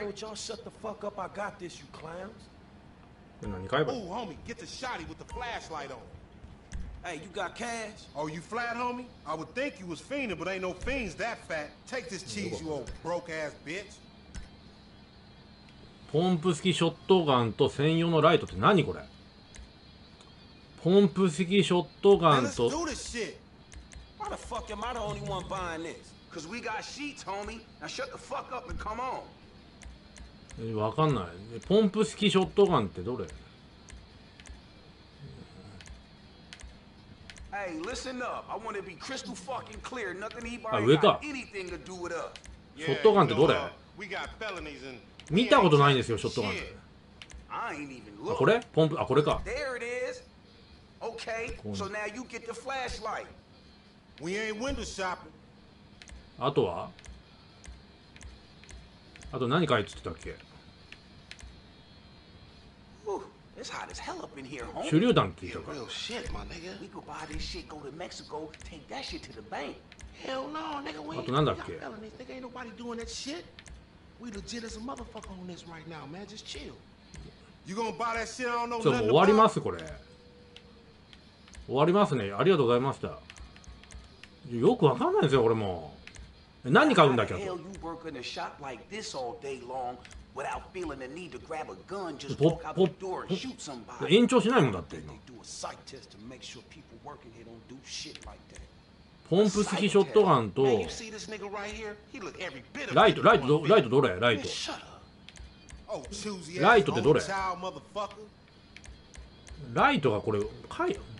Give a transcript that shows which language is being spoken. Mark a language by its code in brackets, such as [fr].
[en] Hey, would y'all shut the fuck up? I got this, you clowns. Ooh, homie, get the shotty with the flashlight on. Hey, you got cash? Oh, you flat, homie? I would think you was fiending, but ain't no fiends that fat. Take this cheese, you old broke-ass bitch. [ja] ポンプ式ショットガンと専用のライトって何これ？ポンプ式ショットガンと。 [en] Let's do this shit. Why the fuck am I the only one buying this? Cause we got sheets, homie. Now shut the fuck up and come on. [ja] わかんない。ポンプ式ショットガンってどれ？ [en] Hey, listen up. I want to be crystal fucking clear. Nothing he buys got anything to do with us. [ja] ショットガンってどれ？ [en] We got felonies and... [ja] 見たことないんですよ、ショットガン。あ、これ？ポンプ、あ、これか。 [en] There it is. Okay. So now you get the flashlight. We ain't window shopping. [ja] あとは？あと何書いてたっけ？ [en] It's hot as hell up in here, homie. [ja] 手榴弾って言ったか。 [en] Real shit, my nigga. We could buy this shit, go to Mexico, take that shit to the bank. Hell no, nigga. [ja] あとなんだっけ？ [en] Ain't nobody doing that shit. We legit as a motherfucker on this right now, man. Just chill. You gonna buy that shit? I don't know. [ja] ちょっと終わりますこれ。終わりますね。ありがとうございました。よくわかんないですよ、俺も。何買うんだっけ。 [en] Hell, you work in a shop like this all day long without feeling the need to grab a gun, just walk out the door and shoot somebody. [ja] 延長しないもんだって。 [en] They do a sight test to make sure people working here don't do shit like that. [ja] ポンプ式ショットガンとライトどれ？ライトってどれ？ライトがこれ買い？